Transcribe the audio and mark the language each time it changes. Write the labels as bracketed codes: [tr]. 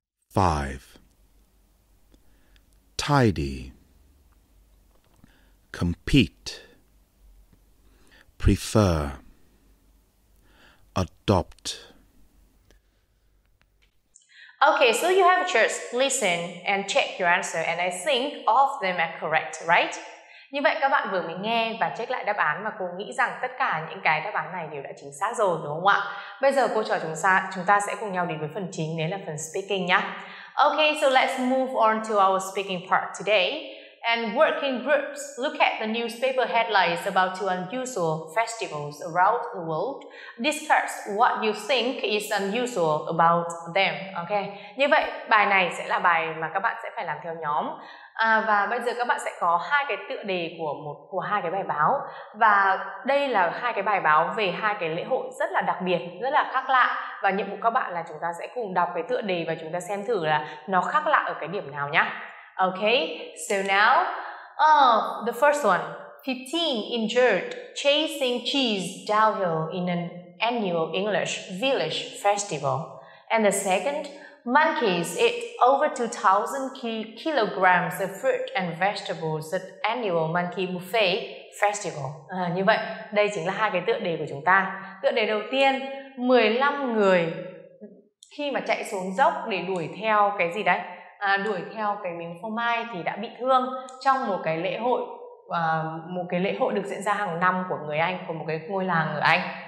[en] 5. Tidy. Compete. Prefer. Adopt. Okay, so you have a choice. Listen and check your answer. And I think all of them are correct, right? [vi] Như vậy các bạn vừa mới nghe và check lại đáp án mà cô nghĩ rằng tất cả những cái đáp án này đều đã chính xác rồi đúng không ạ? Bây giờ cô trò chúng ta sẽ cùng nhau đến với phần chính, đấy là phần speaking nhá. [en] Okay, so let's move on to our speaking part today. And working groups look at the newspaper headlines about two unusual festivals around the world. Discuss what you think is unusual about them. Okay. [vi] Như vậy, bài này sẽ là bài mà các bạn sẽ phải làm theo nhóm. À, và bây giờ các bạn sẽ có hai cái tựa đề của hai cái bài báo. Và đây là hai cái bài báo về hai cái lễ hội rất là đặc biệt, rất là khác lạ. Và nhiệm vụ các bạn là chúng ta sẽ cùng đọc cái tựa đề và chúng ta xem thử là nó khác lạ ở cái điểm nào nhá. [en] Okay, so now, the first one, 15 injured chasing cheese downhill in an annual English village festival. And the second, monkeys eat over 2,000 kilograms of fruit and vegetables at annual monkey buffet festival. [vi] Như vậy, đây chính là hai cái tựa đề của chúng ta. Tựa đề đầu tiên, 15 người khi mà chạy xuống dốc để đuổi theo cái gì đấy? Đuổi theo cái miếng phô mai thì đã bị thương trong một cái lễ hội được diễn ra hàng năm của người Anh, của một cái ngôi làng ở Anh.